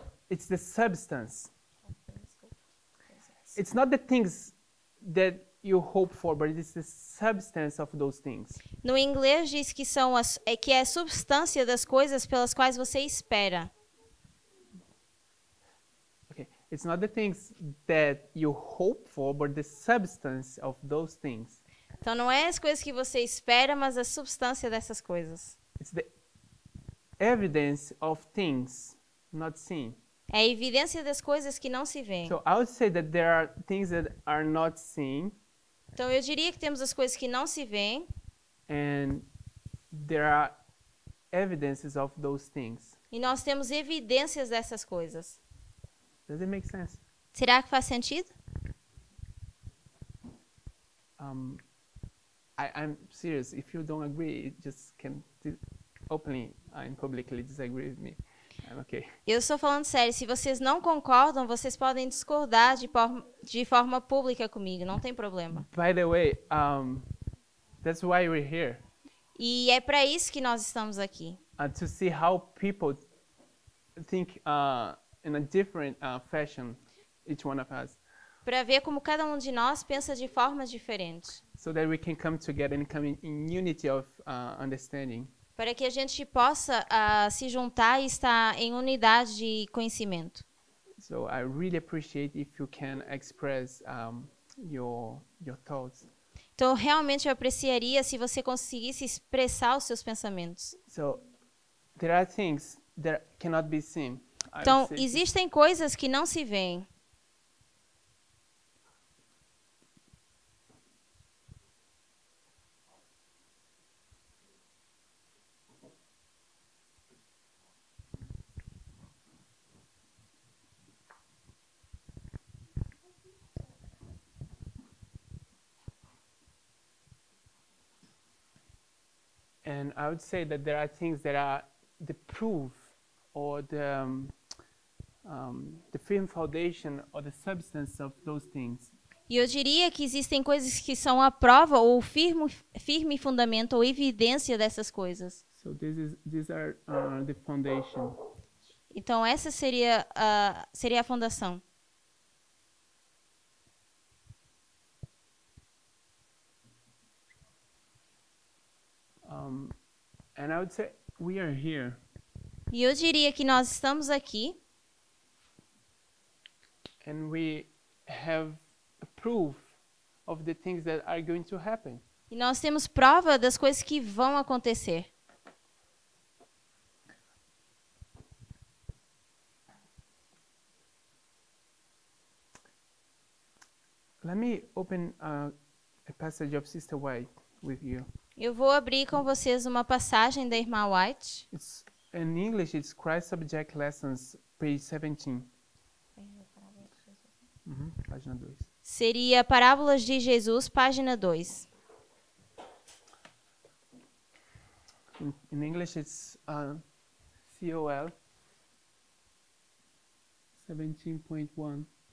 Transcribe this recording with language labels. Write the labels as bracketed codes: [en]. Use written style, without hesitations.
[en] It's the substance. It's not the things that you hope for, but it's the substance of those things. [pt] No inglês diz que são as, que é a substância das coisas pelas quais você espera. [en] Okay, it's not the things that you hope for, but the substance of those things. [pt] Então não é as coisas que você espera, mas a substância dessas coisas. [en] It's the evidence of things not seen. [pt] É a evidência das coisas que não se veem. [en] So I would say that there are things that are not seen. [pt] Então eu diria que temos as coisas que não se veem. [en] And there are evidences of those things. [pt] E nós temos evidências dessas coisas. [en] Does it make sense? [pt] Será que faz sentido? [en] I'm serious. If you don't agree, just can openly and publicly disagree with me. I'm okay. [pt] Eu estou falando sério. Se vocês não concordam, vocês podem discordar de forma pública comigo. Não tem problema. [en] By the way, that's why we're here. [pt] E é para isso que nós estamos aqui. [en] To see how people think in a different fashion, each one of us. [pt] Para ver como cada um de nós pensa de formas diferentes. [en] So that we can come together and come in unity of understanding. [pt] Para que a gente possa se juntar e estar em unidade de conhecimento. [en] So I really appreciate if you can express your thoughts. [pt] Então realmente eu apreciaria se você conseguisse expressar os seus pensamentos. [en] So there are things that cannot be seen. [pt] Então existem coisas que não se veem. [en] And I would say that there are things that are the proof or the firm foundation or the substance of those things. [pt] E eu diria que existem coisas que são a prova ou firme fundamento ou evidência dessas coisas. [en] So these are the foundation. [pt] Então essa seria a fundação. [en] And I would say we are here. [pt] E eu diria que nós estamos aqui. [en] And we have a proof of the things that are going to happen. [pt] E nós temos prova das coisas que vão acontecer. [en] Let me open a passage of Sister White with you. [pt] Eu vou abrir com vocês uma passagem da Irmã White. [en] It's, in English, it's Christ Subject Lessons, page 17. [pt] Página 2. Seria Parábolas de Jesus, página 2. [en] In English, it's COL 17.1.